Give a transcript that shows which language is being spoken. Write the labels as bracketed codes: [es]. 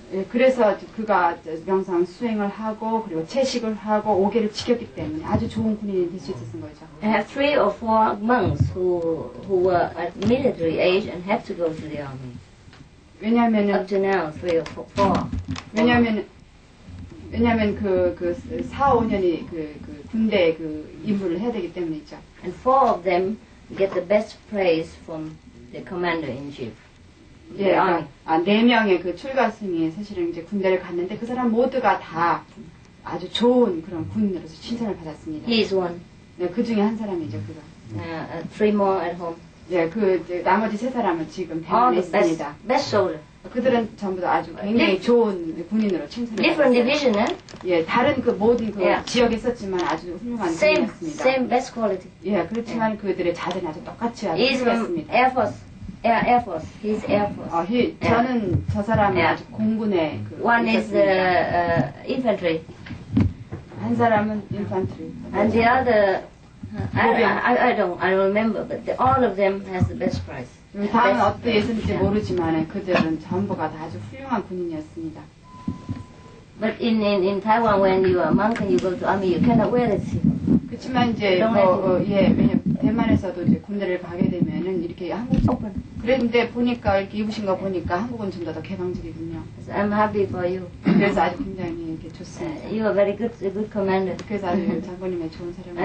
[ko] 그래서 그가 명상 수행을 하고 그리고 채식을 하고 오계를 지켰기 때문에 아주 좋은 군인이 될 수 있었던 거죠. [en] I have three or four monks who were at military age and have to go to the army. [ko] 왜냐하면 [en] up to now, three or four. [ko] 왜냐하면 그 4, 5년이 그 군대 그 임무를 해야 되기 때문이죠. [en] And four of them. Get the best praise from the commander in chief. [ko] 예, 네 명의 그 출가승이 사실은 이제 군대를 갔는데 그 사람 모두가 다 아주 좋은 그런 군인으로서 칭찬을 받았습니다. [en] He is one. [ko] 네, 그 중에 한 사람이죠, 그가. [en] Three more at home. [ko] 예, 그 나머지 세 사람은 지금 병원에 있습니다. [en] Best soldier. [ko] 그들은 전부 다 아주 굉장히 좋은 군인으로 칭찬을 [en] different [ko] 받았어요. [en] Different division은? [ko] 예, 다른 그 모든 그 yeah. 지역에 있었지만 아주 훌륭한 [en] same, [ko] 군인이었습니다. [en] Same best quality. [ko] 예, 그렇지만 yeah. 그들의 자세는 아주 똑같이 아주 훌륭했습니다. [en] Air Force. Air Force. He's Air Force. [ko] 저는 저 사람은 yeah. 아주 공군의 그 [en] One [ko] 있었습니다. [en] Is infantry. [ko] 한 사람은 infantry. [en] And the other, I don't remember, but all of them has the best prize. [ko] 다음은 어떻게 했는지 모르지만 그들은 전부가 다 아주 훌륭한 군인이었습니다. [en] But in Taiwan when you are monk and you go to army you cannot wear this. [ko] 그렇지만 이제 대만에서도 이제 군대를 가게 되면은 이렇게 한국 조금 그런데 보니까 이렇게 입으신 거 보니까 한국은 좀 더 개방적이군요. [en] So I'm happy for you. [ko] 그래서 아주 굉장히 이렇게 좋습니다. [en] You are very good commander. [ko] 그래서 아주 장군님의 좋은 사령관.